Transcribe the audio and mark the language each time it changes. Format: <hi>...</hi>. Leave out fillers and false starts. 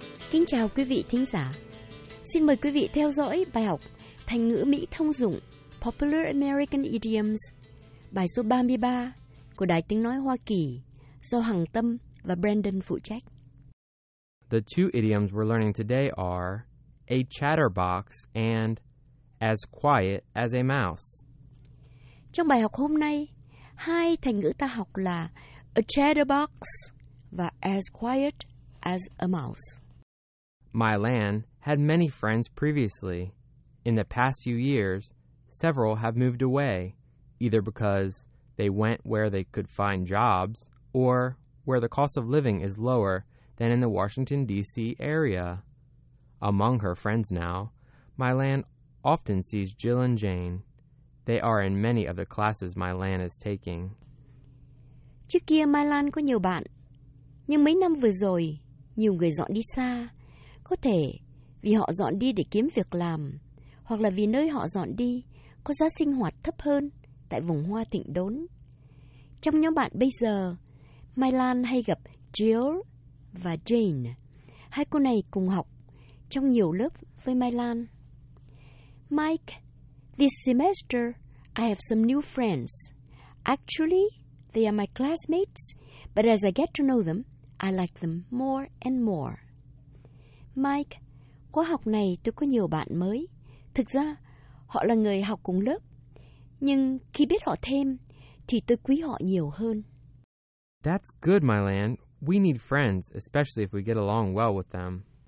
<vi>Kính chào quý vị thính giả. Xin mời quý vị theo dõi bài học Thành ngữ Mỹ thông dụng</vi> <en>Popular American Idioms,</en> <vi>bài số 33 của Đài Tiếng Nói Hoa Kỳ do Hằng Tâm và Brandon phụ trách.</vi> <en>The two idioms we're learning today are a chatterbox and as quiet as a mouse.</en> <vi>Trong bài học hôm nay, hai thành ngữ ta học là a chatterbox và</vi> <en>as quiet as a mouse. My Lan had many friends previously. In the past few years, several have moved away, either because they went where they could find jobs or where the cost of living is lower than in the Washington, D.C. area. Among her friends now, My Lan often sees Jill and Jane. They are in many of the classes My Lan is taking.</en> <vi>Trước kia My Lan có nhiều bạn, nhưng mấy năm vừa rồi, nhiều người dọn đi xa. Có thể vì họ dọn đi để kiếm việc làm, hoặc là vì nơi họ dọn đi có giá sinh hoạt thấp hơn tại vùng hoa thịnh đốn. Trong nhóm bạn bây giờ, My Lan hay gặp Jill và Jane. Hai cô này cùng học trong nhiều lớp với My Lan.</vi> <en>Mike, this semester I have some new friends. Actually, they are my classmates, but as I get to know them, I like them more and more.</en> <vi>Mike, khóa học này tôi có nhiều bạn mới. Thực ra, họ là người học cùng lớp. Nhưng khi biết họ thêm, thì tôi quý họ nhiều hơn.</vi> <en>That's good, My Lan. We need friends, especially if we get along well with them.</en>